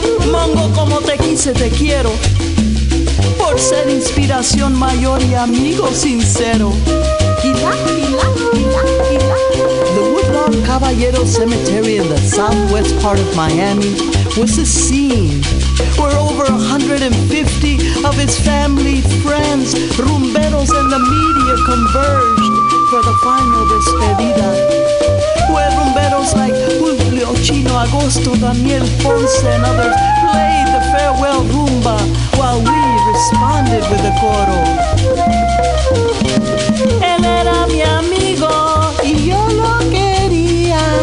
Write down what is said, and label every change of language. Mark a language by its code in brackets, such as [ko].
[es] Mango, como te quise, te quiero, por ser inspiración mayor y amigo sincero. Gila, gila, gila, gila. [en] The Woodlawn Caballero Cemetery in the southwest part of Miami was a scene where over 150 of his family, friends, rumberos, and the media converged for the final despedida. Where rumberos like Julio Chino, Agosto, Daniel Ponce, and others played the farewell rumba while we responded with the coro. [es] Él era mi amigo y yo lo quería.